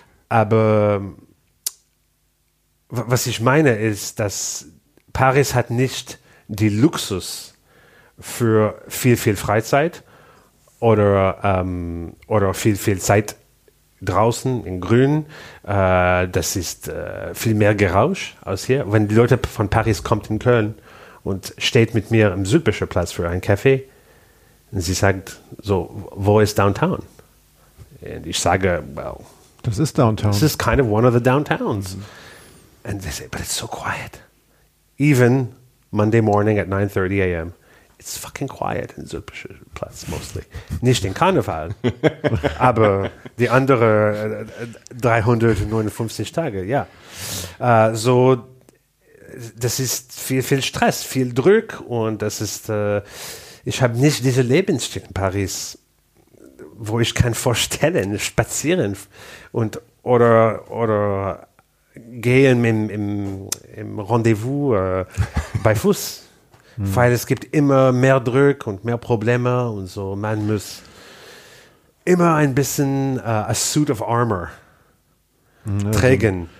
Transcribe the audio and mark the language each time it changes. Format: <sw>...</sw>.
<de>aber was ich meine ist, dass Paris hat nicht die Luxus für viel, viel Freizeit oder viel, viel Zeit draußen in Grün, das ist viel mehr Gerausch aus hier. Wenn die Leute von Paris kommen in Köln, und steht mit mir im Südbischer Platz für einen Kaffee. Und sie sagt so, wo ist Downtown? Und ich sage,</de> <en>well,</en> <de>das ist Downtown.</de> <en>This is kind of one of the downtowns. Mm-hmm. And they say, but it's so quiet. Even Monday morning at 9:30 a.m. It's fucking quiet in Südbischer Platz mostly.</en> <de>Nicht in Karneval, aber die andere 359 Tage, ja. So das ist viel, viel Stress, viel Druck und das ist, ich habe nicht diese Lebensstil in Paris, wo ich kann vorstellen, spazieren und oder gehen im Rendezvous bei Fuß, weil es gibt immer mehr Druck und mehr Probleme und so, man muss immer ein bisschen</de> <en>a suit of armor</en> <de>trägen,</de>